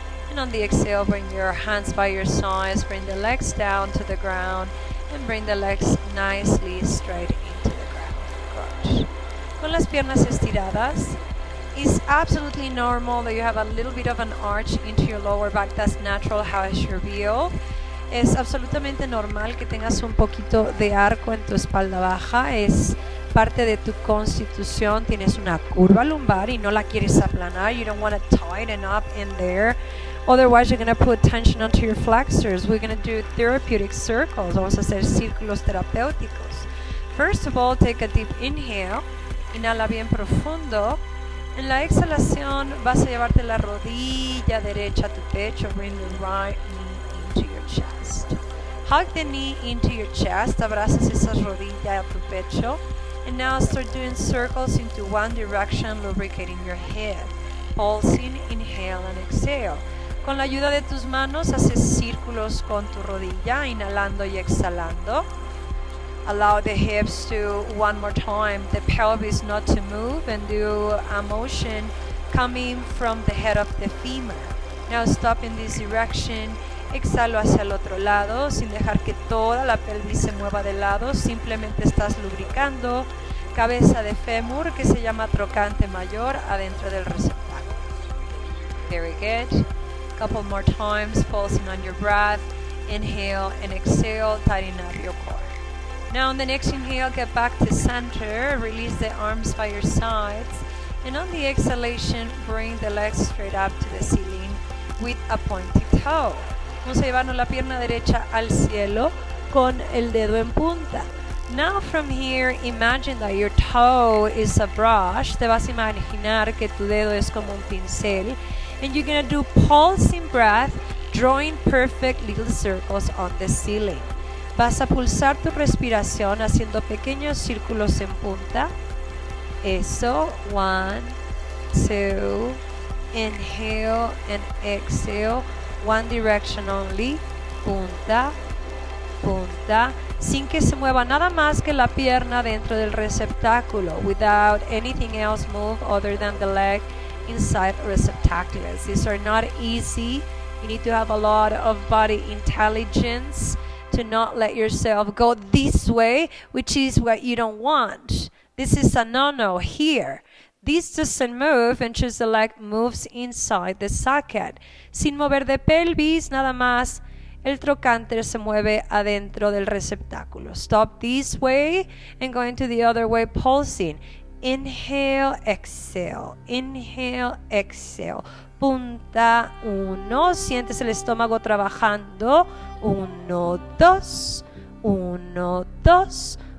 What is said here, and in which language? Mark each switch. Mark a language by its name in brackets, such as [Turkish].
[English] And on the exhale, bring your hands by your sides. Bring the legs down to the ground. And bring the legs nicely straight into the ground. Good. [Spanish] Con las piernas estiradas. [English] It's absolutely normal that you have a little bit of an arch into your lower back. That's natural how it should feel. [Spanish] Es absolutamente normal que tengas un poquito de arco en tu espalda baja. Es parte de tu constitución, tienes una curva lumbar y no la quieres aplanar. [English] You don't want to tighten up in there. Otherwise, you're going to put tension onto your flexors. We're going to do therapeutic circles. [Spanish] Vamos a hacer círculos terapéuticos. [English] First of all, take a deep inhale. [Spanish] Inhala bien profundo. En la exhalación, vas a llevarte la rodilla derecha a tu pecho. [English] Bring the right knee into your chest. Hug the knee into your chest. [Spanish] Abrazas esa rodilla a tu pecho. [English] And now start doing circles into one direction, lubricating your head. Pulsing, inhale and exhale. [Spanish] Con la ayuda de tus manos, haces círculos con tu rodilla, inhalando y exhalando. [English] Allow the hips to, one more time, the pelvis not to move, and do a motion coming from the head of the femur. Now stop in this direction. [Spanish] Exhalo hacia el otro lado, sin dejar que toda la pelvis se mueva de lado. Simplemente estás lubricando cabeza de fémur, que se llama trocante mayor, adentro del receptáculo. [English] Very good. Couple more times, pulsing on your breath. Inhale and exhale, tightening up your core. Now on the next inhale, get back to center. Release the arms by your sides. And on the exhalation, bring the legs straight up to the ceiling with a pointed toe. [Spanish] Vamos a llevarnos la pierna derecha al cielo con el dedo en punta. [English] Now from here, imagine that your toe is a brush. [Spanish] Te vas a imaginar que tu dedo es como un pincel. [English] And you're going to do pulsing breath, drawing perfect little circles on the ceiling. [Spanish] Vas a pulsar tu respiración haciendo pequeños círculos en punta. [English] Eso. One, two, inhale and exhale. One direction only, [Spanish] punta, punta, sin que se mueva nada más que la pierna dentro del receptáculo, [English] without anything else move other than the leg inside receptaculus. These are not easy. You need to have a lot of body intelligence to not let yourself go this way, which is what you don't want. This is a no-no here. This doesn't move and just the leg moves inside the socket. [Spanish] Sin mover de pelvis, nada más, el trocánter se mueve adentro del receptáculo. [English] Stop this way and going to the other way, pulsing. Inhale, exhale, inhale, exhale. [Spanish] Punta uno, sientes el estómago trabajando. Uno, dos, uno, dos.